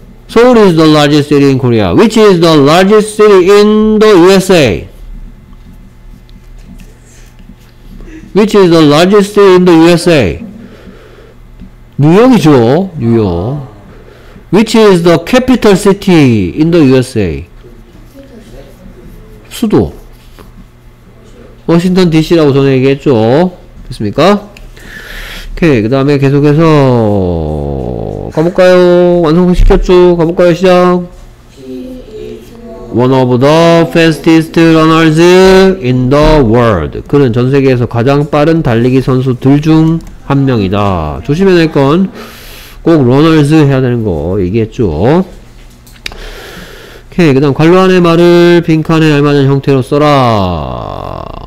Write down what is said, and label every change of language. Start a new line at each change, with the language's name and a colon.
English: Seoul is the largest city in Korea. Which is the largest city in the USA? Which is the largest city in the USA?
Korean: 뉴욕이죠. 뉴욕.
English: Which is the capital city in the USA?
Korean: 수도. 워싱턴 DC라고 전에 얘기했죠. 됐습니까? 오케이, 그 다음에 계속해서 가볼까요? 완성시켰죠? 가볼까요? 시작.
English: One of the fastest runners in the world.
Korean: 그는 전 세계에서 가장 빠른 달리기 선수들 중 한 명이다. 조심해야 될 건 꼭 runners 해야 되는 거 얘기했죠. 오케이, 그 다음 관로 안의 말을 빈칸에 알맞은 형태로 써라.